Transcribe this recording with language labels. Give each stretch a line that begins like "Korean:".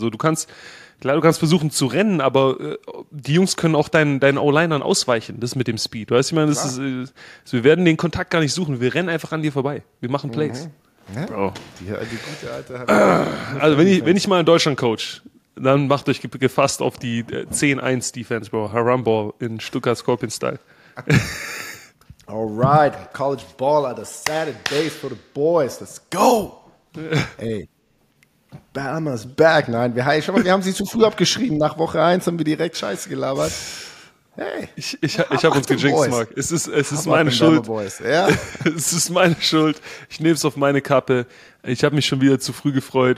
German: So, du kannst versuchen zu rennen, aber die Jungs können auch deinen O-Linern ausweichen, das mit dem Speed, weißt du, ich meine, das ist, so, wir werden den Kontakt gar nicht suchen, wir rennen einfach an dir vorbei, wir machen Plays. Mhm. Ja? Bro. Die gute Alte hat also wenn ich mal in Deutschland coach, dann macht euch gefasst auf die 10-1 Defense, Bro. Haramball in Stuttgart Scorpion Style.
English: Alright, College Ball at a Saturday for the boys. Let's go! Ey. Bama's back.
German: Nein, wir haben sie zu früh abgeschrieben. Nach Woche 1 haben wir direkt Scheiße gelabert. Hey. Ich hab uns gejinxt, Mark. Es ist meine Schuld. Ja? Es ist meine Schuld. Ich nehme es auf meine Kappe. Ich habe mich schon wieder zu früh gefreut.